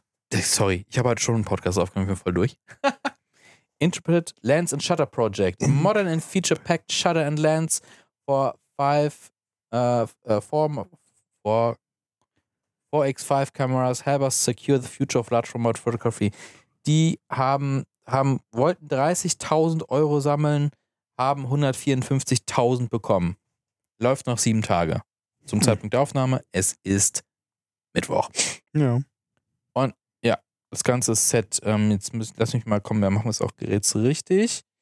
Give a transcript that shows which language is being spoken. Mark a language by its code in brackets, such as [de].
[de] Ich habe halt schon einen Podcast aufgenommen. Ich bin voll durch. [en] Intrepid Lens and Shutter Project. Modern and feature-packed shutter and lens for 4x5 cameras help us secure the future of large format photography. [de] Die wollten 30.000 Euro sammeln, haben 154.000 bekommen. Läuft noch 7 Tage. Zum Zeitpunkt der Aufnahme, es ist Mittwoch. Ja. Das ganze Set, lass mich mal kommen, wir machen es auch gerätsrichtig.